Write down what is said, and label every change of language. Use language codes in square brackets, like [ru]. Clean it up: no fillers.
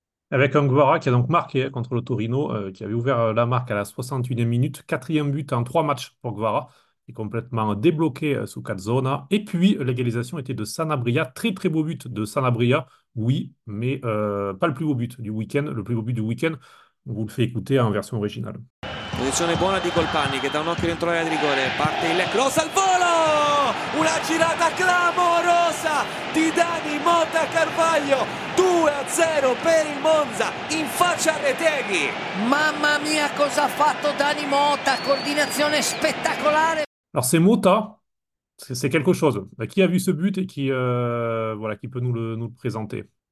[fr] Avec un Kvara qui a donc marqué contre le Torino, qui avait ouvert la marque à la 61e minute, quatrième but en trois matchs pour Kvara, qui est complètement débloqué sous Calzona. Et puis l'égalisation était de Sanabria, très très beau but de Sanabria, oui, mais pas le plus beau but du week-end. Le plus beau but du week-end, on vous le fait écouter en version originale. [it] Posizione buona di Colpani che dà un occhio dentro l'area di rigore, parte il cross al volo! Una girata clamorosa di Dani Mota Carvaglio, 2-0 per il Monza in faccia a Retegui. Mamma mia cosa ha fatto Dani Mota, coordinazione spettacolare. [fr] Alors c'est Mota, c'est quelque chose. Qui a vu ce but et qui voilà qui peut nous le présenter?